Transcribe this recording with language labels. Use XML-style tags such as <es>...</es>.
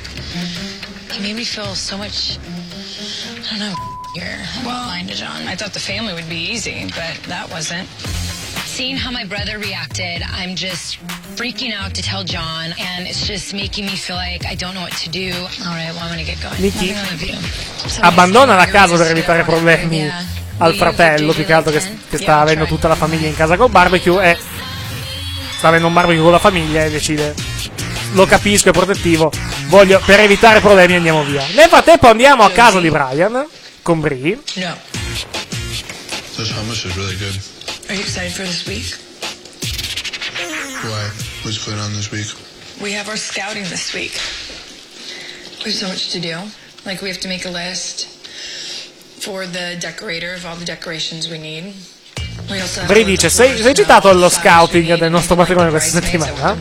<en>Mm-hmm. He made me feel so much, I don't know, here. Well, lying to John. I thought the family would be easy, but that wasn't. Seeing how my brother reacted, I'm just freaking out to tell John, and it's just making me feel like I don't know what to do. All right, well, I'm gonna get going.</en> <it>Nikki, abbandona la casa per evitare problemi al fratello, più che altro che sta avendo tutta la famiglia in casa col barbecue, e sta avendo un barbecue con la famiglia e decide, lo capisco, è protettivo, voglio, per evitare problemi andiamo via. Nel frattempo andiamo a casa di Brian con Bri.</it> <en>No. This hummus is really good. Are you excited for this week? Why? What's going on this week? We have our scouting this week. We have so much to do. Like, we have to make a list for the decorator of all the decorations we need.</en> <it>Bri dice, sei citato allo scouting del nostro matrimonio questa settimana?</it>